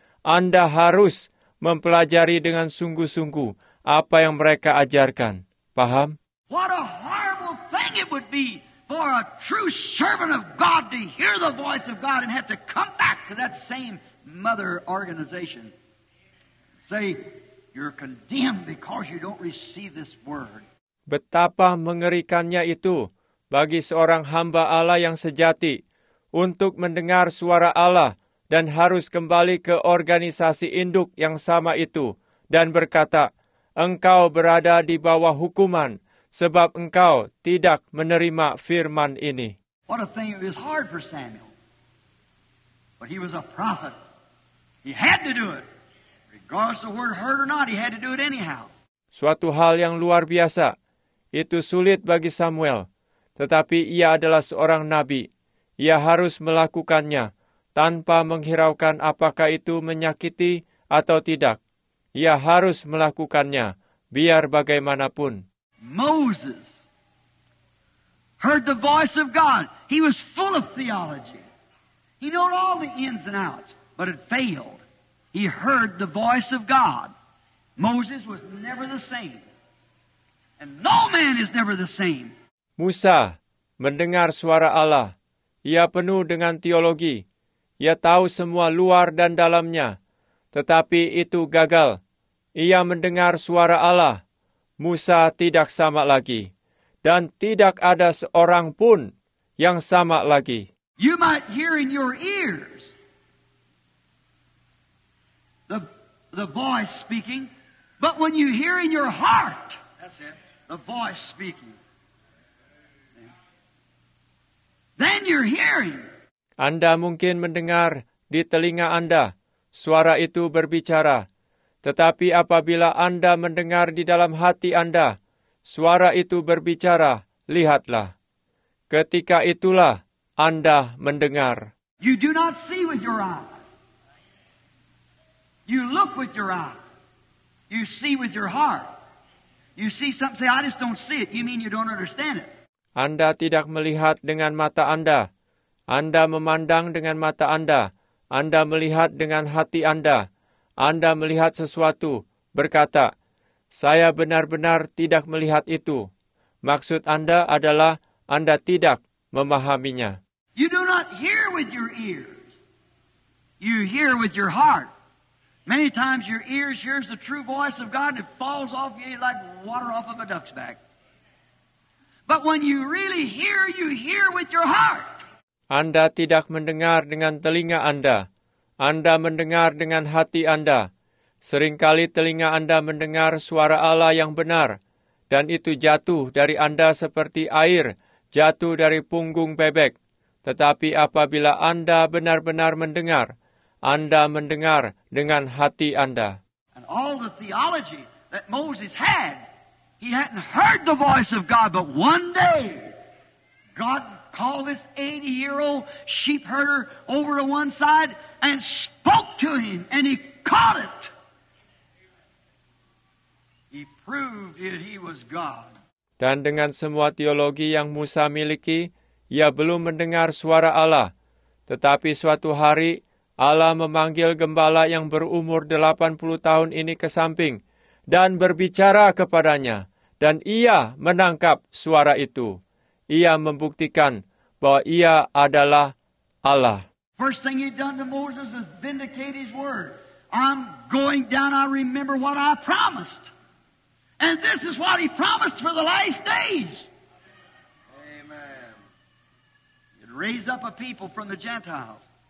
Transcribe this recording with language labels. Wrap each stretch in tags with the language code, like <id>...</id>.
<id>Anda harus mempelajari dengan sungguh-sungguh apa yang mereka ajarkan. Paham?</id> <en>What a horrible thing it would be for a true servant of God to hear the voice of God and have to come back to that same mother organization. Say, you're condemned because you don't receive this word.</en> <id>Betapa mengerikannya itu bagi seorang hamba Allah yang sejati untuk mendengar suara Allah dan harus kembali ke organisasi induk yang sama itu dan berkata, engkau berada di bawah hukuman sebab engkau tidak menerima firman ini.</id> <en>What a thing, it was hard for Samuel. But he was a prophet. He had to do it. Regardless of where he heard or not, he had to do it anyhow.</en> <id>Suatu hal yang luar biasa. Itu sulit bagi Samuel. Tetapi ia adalah seorang nabi. Ia harus melakukannya tanpa menghiraukan apakah itu menyakiti atau tidak. Ia harus melakukannya, biar bagaimanapun.</id> <en>Moses heard the voice of God. He was full of theology. He knew all the ins and outs, but it failed. He heard the voice of God. Moses was never the same. And no man is never the same.</en> <id>Musa mendengar suara Allah. Ia penuh dengan teologi. Ia tahu semua luar dan dalamnya. Tetapi itu gagal. Ia mendengar suara Allah. Musa tidak sama lagi. Dan tidak ada seorang pun yang sama lagi.</id> <en>You might hear in your ears the voice speaking, but when you hear in your heart, that's it, the voice speaking, then you're hearing.</en> <id>Anda mungkin mendengar di telinga Anda suara itu berbicara. Tetapi apabila Anda mendengar di dalam hati Anda suara itu berbicara, lihatlah. Ketika itulah Anda mendengar.</id> <en>You do not see with your eye. You look with your eye. You see with your heart. You see something, say, I just don't see it. You mean you don't understand it.</en> <id>Anda tidak melihat dengan mata Anda. Anda memandang dengan mata Anda. Anda melihat dengan hati Anda. Anda melihat sesuatu, berkata, saya benar-benar tidak melihat itu. Maksud Anda adalah Anda tidak memahaminya.</id> <en>You do not hear with your ears. You hear with your heart. Many times your ears hears the true voice of God and it falls off you like water off of a duck's back. But when you really hear, you hear with your heart.</en> <id>Anda tidak mendengar dengan telinga Anda. Anda mendengar dengan hati Anda. Seringkali telinga Anda mendengar suara Allah yang benar, dan itu jatuh dari Anda seperti air jatuh dari punggung bebek. Tetapi apabila Anda benar-benar mendengar, Anda mendengar dengan hati Anda.</id> <en>And all the theology that Moses had, he hadn't heard the voice of God, but one day, God called this 80-year-old sheep herder over to one side and spoke to him, and he caught it. He proved that he was God.</en> <id>Dan dengan semua teologi yang Musa miliki, ia belum mendengar suara Allah. Tetapi suatu hari, Allah memanggil gembala yang berumur 80 tahun ini ke samping dan berbicara kepadanya. Dan ia menangkap suara itu. Ia membuktikan bahwa ia adalah Allah.</id> <en>First thing he'd done to Moses is vindicate his word. I'm going down, I remember what I promised. And this is what he promised for the last days. Amen. He'd raise up a people from the Gentiles.</en>